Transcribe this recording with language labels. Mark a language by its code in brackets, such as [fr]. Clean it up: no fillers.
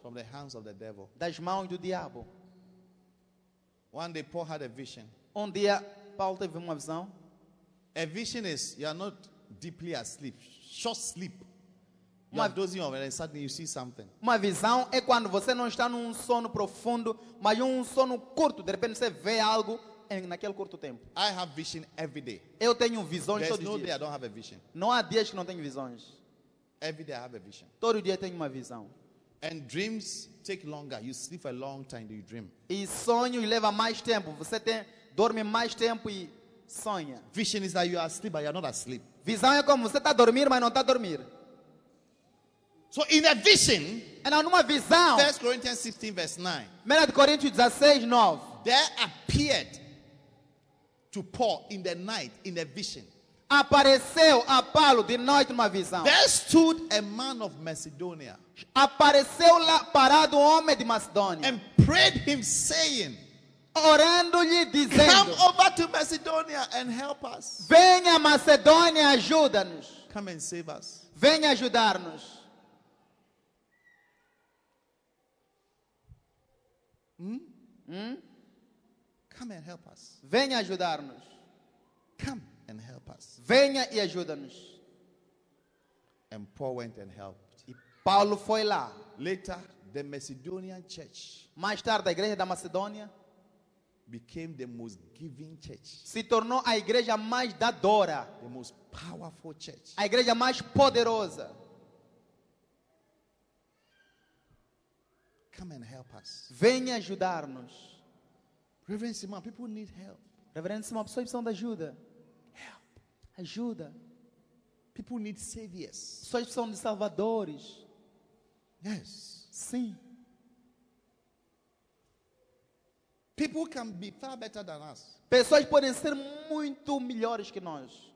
[en] From the hands of the devil. [pt] Das mãos do diabo. [en] One day Paul had a vision. [pt] Um dia Paulo teve uma visão. [en] A vision is you are not deeply asleep, short sleep. You are dozing off and then suddenly you see something. [pt] Uma visão é quando você não está num sono profundo, mas um sono curto. De repente você vê algo naquele curto tempo. [en] I have vision every day. [pt] Eu tenho visões todos os dias. [en] There's no day I don't have a vision. [pt] Não há dias que não tenho visões. [en] Every day I have a vision. [pt] Todo dia tenho uma visão. [en] And dreams take longer. You sleep a long time and you dream. [pt] E sonho leva mais tempo. Você dorme mais tempo e sonha. [en] Vision is that you are asleep but you are not asleep. [pt] Visão é como você está a dormir, mas não está a dormir. [en] So in a vision, and now [pt] numa visão, [en] 1 Corinthians 16 verse 9. [pt] 1 Coríntios 16, 9. [en] There appeared to Paul in the night in a vision. [pt] Apareceu a Paulo de noite numa visão. [en] There stood a man of Macedonia. [pt] Apareceu lá parado um homem de Macedônia. [en] And prayed him saying, [pt] orando-lhe dizendo, [en] come over to Macedonia and help us. [pt] Venha a Macedônia, ajuda-nos. [en] Come and save us. [pt] Venha ajudar-nos. [en] Come and help us. [pt] Venha ajudar-nos. [en] Come and help us. [pt] Venha e ajuda-nos. [en] And Paul went and helped. [pt] E Paulo foi lá. [en] Later, the Macedonian church. [pt] Mais tarde, a igreja da Macedônia [en] became the most giving church. [pt] Se tornou a igreja mais dadora. [en] The most powerful church. [pt] A igreja mais poderosa. [en] Come and help us. [pt] Venha ajudar-nos. [en] Reverend Simon, people need help. [pt] Reverend Simon, pessoas precisam de ajuda. [en] Help. [pt] Ajuda. [en] People need saviors. [pt] Pessoas precisam de salvadores. [en] Yes. [pt] Sim. [en] People can be far better than us. [pt] Pessoas podem ser muito melhores que nós.